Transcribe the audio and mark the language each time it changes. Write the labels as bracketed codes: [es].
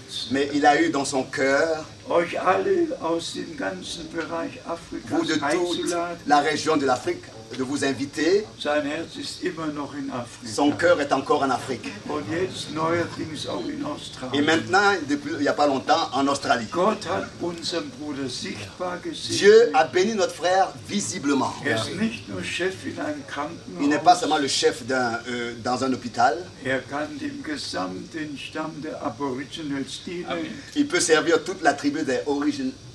[fr] Mais il a eu dans son cœur vous de toute la région de l'Afrique. De vous inviter. [de] Sein Herz ist immer noch in Afrika. [fr] Son cœur est encore en Afrique. [de] Und jetzt neuerdings auch in Australien. [fr] Et maintenant, depuis il n'y a pas longtemps, en Australie. [de] Gott hat unseren Bruder sichtbar gesehen. [fr] Dieu a béni notre frère visiblement. [de] Er ist nicht nur Chef in einem Krankenhaus. [fr] Il n'est pas seulement le chef dans un hôpital. [de] Er kann dem gesamten Stamm der Aboriginals dienen. [fr] Il peut servir toute la tribu des Aborigines.